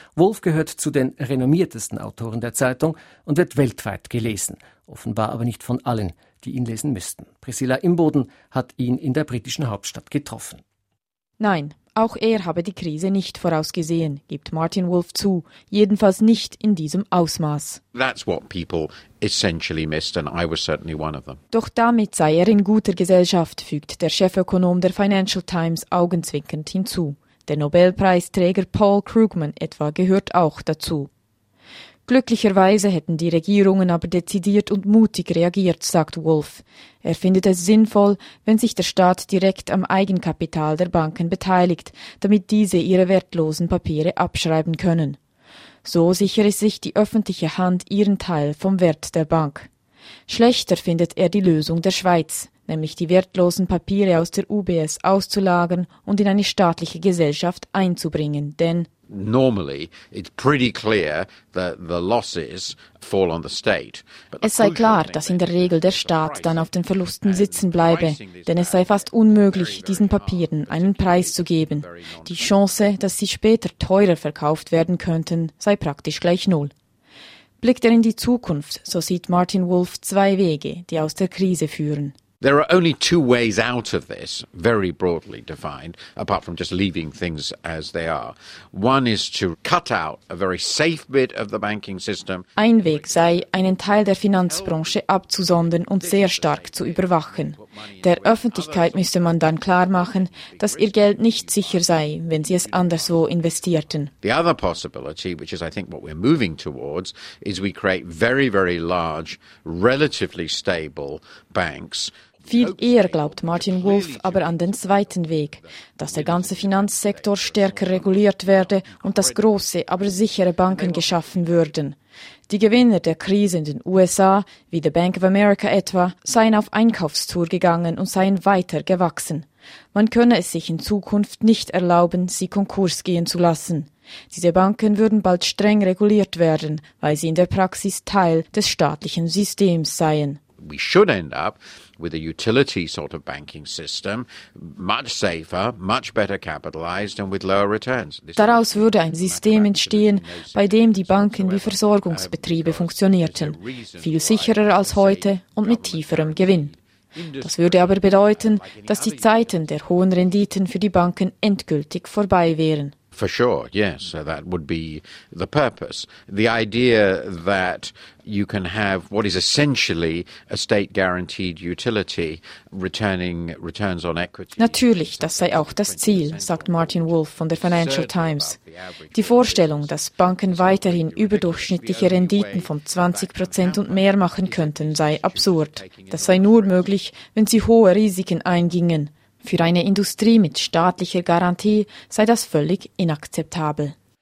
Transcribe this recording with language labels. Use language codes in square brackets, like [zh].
[de] Wolf gehört zu den renommiertesten Autoren der Zeitung und wird weltweit gelesen, offenbar aber nicht von allen, die ihn lesen müssten. Priscilla Imboden hat ihn in der britischen Hauptstadt getroffen. Nein, auch er habe die Krise nicht vorausgesehen, gibt Martin Wolf zu, jedenfalls nicht in diesem Ausmaß. [en] That's what people essentially missed, and I was certainly one of them. [de] Doch damit sei er in guter Gesellschaft, fügt der Chefökonom der Financial Times augenzwinkernd hinzu. Der Nobelpreisträger Paul Krugman etwa gehört auch dazu. Glücklicherweise hätten die Regierungen aber dezidiert und mutig reagiert, sagt Wolf. Er findet es sinnvoll, wenn sich der Staat direkt am Eigenkapital der Banken beteiligt, damit diese ihre wertlosen Papiere abschreiben können. So sichere sich die öffentliche Hand ihren Teil vom Wert der Bank. Schlechter findet er die Lösung der Schweiz, nämlich die wertlosen Papiere aus der UBS auszulagern und in eine staatliche Gesellschaft einzubringen, denn [en] normally it's pretty clear that the losses fall on the state. [de] Es sei klar, dass in der Regel der Staat dann auf den Verlusten sitzen bleibe, denn es sei fast unmöglich, diesen Papieren einen Preis zu geben. Die Chance, dass sie später teurer verkauft werden könnten, sei praktisch gleich null. Blickt er in die Zukunft, so sieht Martin Wolf zwei Wege, die aus der Krise führen. [en] There are only two ways out of this, very broadly defined, apart from just leaving things as they are. One is to cut out a very safe bit of the banking system. [de] Ein Weg sei, einen Teil der Finanzbranche abzusondern und sehr stark zu überwachen. Der Öffentlichkeit müsste man dann klarmachen, dass ihr Geld nicht sicher sei, wenn sie es anderswo investierten. [en] The other possibility, which is I think what we're moving towards, is we create very, very large, relatively stable banks. [de] Viel eher glaubt Martin Wolf aber an den zweiten Weg, dass der ganze Finanzsektor stärker reguliert werde und dass große, aber sichere Banken geschaffen würden. Die Gewinner der Krise in den USA, wie The Bank of America etwa, seien auf Einkaufstour gegangen und seien weiter gewachsen. Man könne es sich in Zukunft nicht erlauben, sie Konkurs gehen zu lassen. Diese Banken würden bald streng reguliert werden, weil sie in der Praxis Teil des staatlichen Systems seien. [en] We should end up with a utility sort of banking system, much safer, much better capitalized and with lower returns. [de] Daraus würde ein System entstehen, bei dem die Banken wie Versorgungsbetriebe funktionierten, viel sicherer als heute und mit tieferem Gewinn. Das würde aber bedeuten, dass die Zeiten der hohen Renditen für die Banken endgültig vorbei wären. [en] For sure, yes, so that would be the purpose. The idea that you can have what is essentially a state-guaranteed utility returning returns on equity. [de] Natürlich, das sei auch das Ziel, sagt Martin Wolf von der Financial Times. Die Vorstellung, dass Banken weiterhin überdurchschnittliche Renditen von 20% und mehr machen könnten, sei absurd. Das sei nur möglich, wenn sie hohe Risiken eingingen. Für eine Industrie mit staatlicher Garantie sei das völlig inakzeptabel.